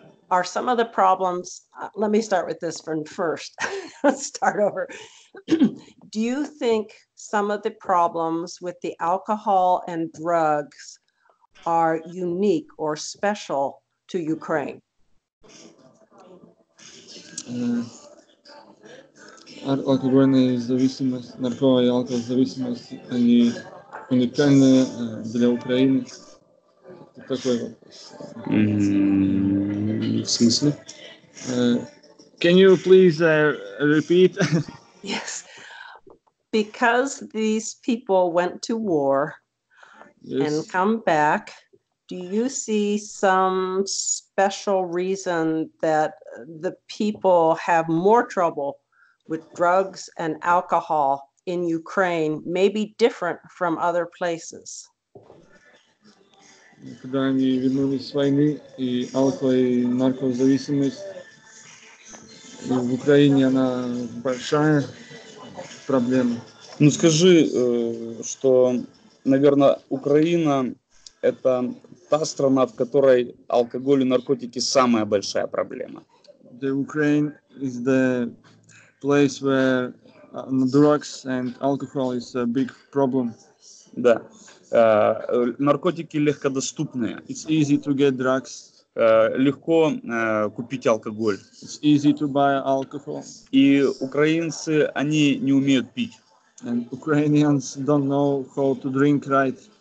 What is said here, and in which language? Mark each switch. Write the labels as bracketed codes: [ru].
[en] Are some of the problems? Let me start with this one first. Let's start over. Do you think some of the problems with the alcohol and drugs are unique or special to Ukraine? [ru] Алкогольная зависимость, наркотическая алкогольная зависимость, они уникальны для Украины. Такой вопрос. В смысле? [en] Can you please repeat? Yes. Because these people went to war, yes, and come back, do you see some special reason that the people have more trouble with drugs and alcohol in Ukraine, maybe different from other places? [ru] Когда они вернулись с войны, и алкоголь и наркозависимость в Украине, она большая проблема. Ну скажи, что, наверное, Украина – это та страна, в которой алкоголь и наркотики – самая большая проблема. [en] The Ukraine is the place where drugs and alcohol is a big problem. [ru] Да. Наркотики легкодоступные. [en] It's easy to get drugs. [ru] Легко купить алкоголь. [en] It's easy to buy alcohol. [ru] И украинцы, они не умеют пить. [en] And Ukrainians don't know how to drink right.